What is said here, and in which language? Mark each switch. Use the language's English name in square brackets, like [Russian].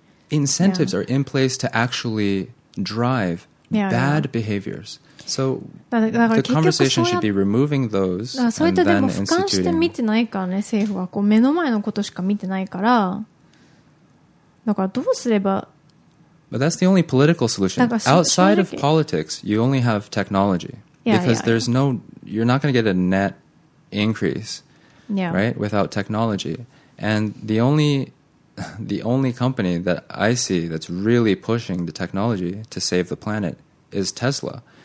[English] Incentives are in place to actually drive bad behaviors. So the conversation should be removing those and then instituting. [Japanese] そうやってでも俯瞰して見てないからね、政府はこう目の前のことしか見てないから、だからどうすれば。 [English] But that's the only political solution. Outside of politics, you only have technology. Because there's no, you're not going to get a net increase, right, without technology. And the only company that I see that's really pushing the technology to save the planet is Tesla.